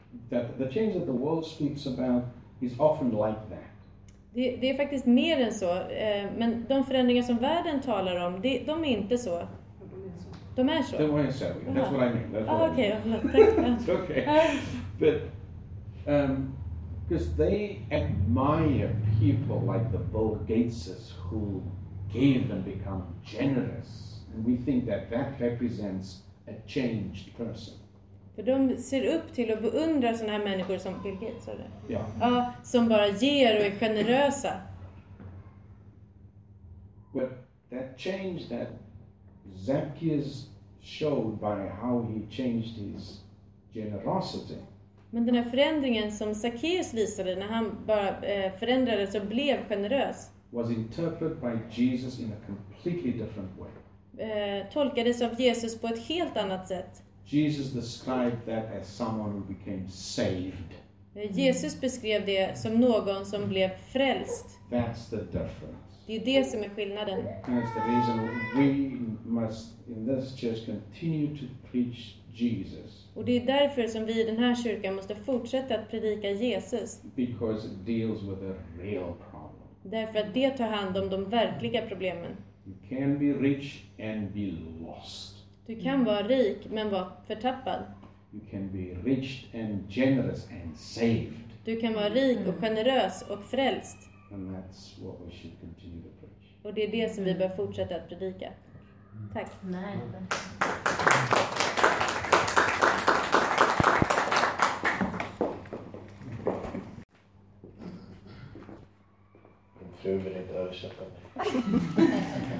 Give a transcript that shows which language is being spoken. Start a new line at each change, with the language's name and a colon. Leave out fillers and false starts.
English: The change that the world speaks about is often like that.
Swedish: Det är faktiskt mer än så, men de förändringar som världen talar om, de är inte så. De är så.
English: They were so. That's what I mean. Okay. But because they admire people like the Bill Gateses who give and become generous, and we think that represents a changed person.
Swedish: För de ser upp till och beundrar såna här människor som Bill Gates eller? Ja. Som bara ger och är generösa.
English: But that change that Zacchaeus showed by how he changed his generosity.
Swedish: Men den här förändringen som Zacchaeus visade när han bara förändrades och blev generös
English: was interpreted by Jesus in a completely different way.
Swedish: Tolkades av Jesus på ett helt annat sätt.
English: Jesus described that as someone who became saved.
Swedish: Jesus beskrev det som någon som blev frälst.
English: That's the difference.
Swedish: Det är det som är skillnaden.
English: And that's the reason we must in this church continue to preach Jesus.
Swedish: Och det är därför som vi i den här kyrkan måste fortsätta att predika Jesus.
English: Because it deals with a real problem.
Swedish: Därför att det tar hand om de verkliga problemen.
English: You can be rich and be lost.
Swedish: Du kan vara rik men vara förtappad.
English: You can be rich and generous and saved.
Swedish: Du kan vara rik och generös och frälst.
English: And that's what we should continue to preach.
Swedish: Och det är det som vi bör fortsätta att predika. Tack. Nej. Du vill inte översätta mig.